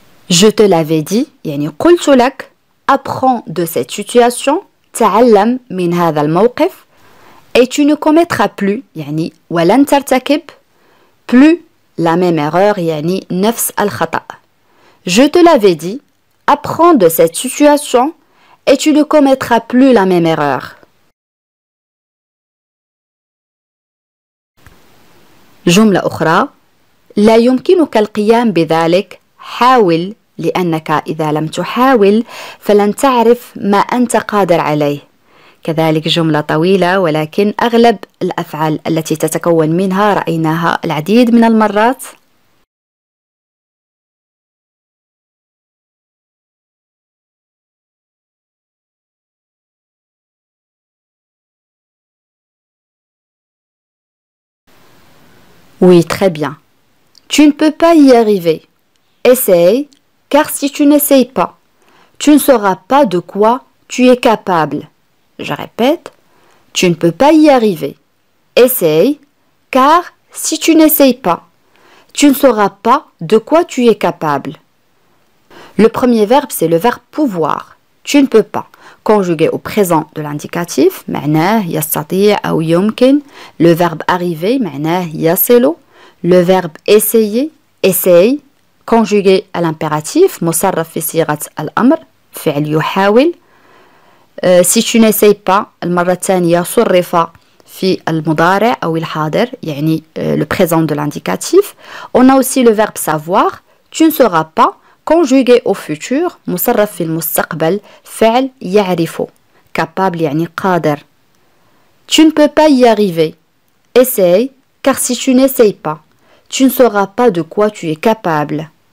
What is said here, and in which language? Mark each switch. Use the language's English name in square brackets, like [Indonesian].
[French] Je te l'avais dit, [Arabic] يعني قلت لك, [French] apprends de cette situation, [Arabic] تعلم من هذا الموقف, [French] et tu ne commettras plus, [Arabic] يعني ولن ترتكب, [French] plus la même erreur, [Arabic] يعني نفس الخطأ. [French] Je te l'avais dit, apprends de cette situation et tu ne commettras plus la même erreur. [Arabic] جملة أخرى لا يمكنك القيام بذلك حاول لأنك إذا لم تحاول فلن تعرف ما أنت قادر عليه كذلك جملة طويلة ولكن أغلب الأفعال التي تتكون منها رأيناها العديد من المرات [French] Oui, très bien. Tu ne peux pas y arriver. Essaye, car si tu n'essayes pas, tu ne sauras pas de quoi tu es capable. Je répète, tu ne peux pas y arriver. Essaye, car si tu n'essayes pas, tu ne sauras pas de quoi tu es capable. Le premier verbe, c'est le verbe pouvoir. Tu ne peux pas. Conjugué au présent de l'indicatif, [Arabic] معناه يستطيع أو يمكن. [French] Le verbe arriver, [Arabic] معناه يصل. [French] Le verbe essayer, essaye. Conjugué à l'impératif, [Arabic] مصرف في صيغة الأمر, فعل يحاول. [French] Si tu n'essayes pas, [Arabic] المرة الثانية صرف في المضارع أو الحاضر, يعني [French] le présent de l'indicatif. On a aussi le verbe savoir, tu ne sauras pas. Conjugué au futur, [Arabic] مصرف في المستقبل, فعل يعرف, capable يعني قادر. [French] Tu ne peux pas y arriver. Essaye, car si tu n'essayes pas, tu ne sauras pas de quoi tu es capable.